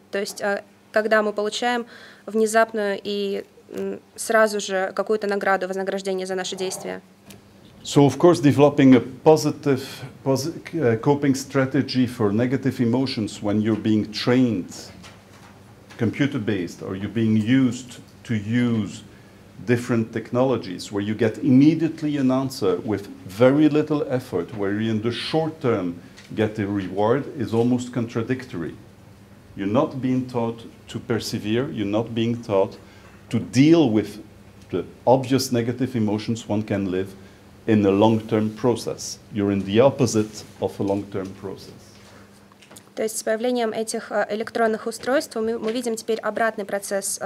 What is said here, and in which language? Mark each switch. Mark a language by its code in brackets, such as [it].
[ru] То есть когда мы получаем внезапную и сразу же какую-то награду, вознаграждение за наши действия. [en] So, of course, developing a positive coping strategy for negative emotions when you're being trained, computer-based, or you're being used to use different technologies, where you get immediately an answer with very little effort, where you in the short term get a reward, is almost contradictory. You're not being taught to persevere, you're not being taught to deal with the obvious negative emotions one can live in a long-term process. You're in the opposite of a long-term process. [ru] То есть с появлением этих электронных устройств мы видим теперь обратный процесс.